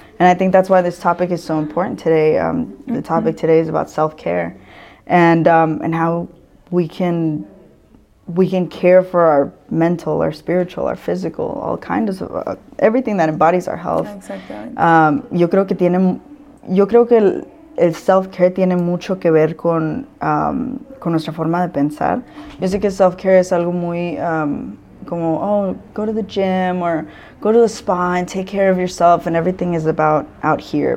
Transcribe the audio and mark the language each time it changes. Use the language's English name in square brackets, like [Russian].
[English] And I think that's why this topic is so important today. The topic today is about self-care and how we can care for our mental, our spiritual, our physical, all kinds of everything that embodies our health. Exactly. [Spanish] Yo creo que el self-care tiene mucho que ver con nuestra forma de pensar. Yo sé que self-care es algo muy como, [English] oh, go to the gym or go to the spa and take care of yourself and everything is about out here.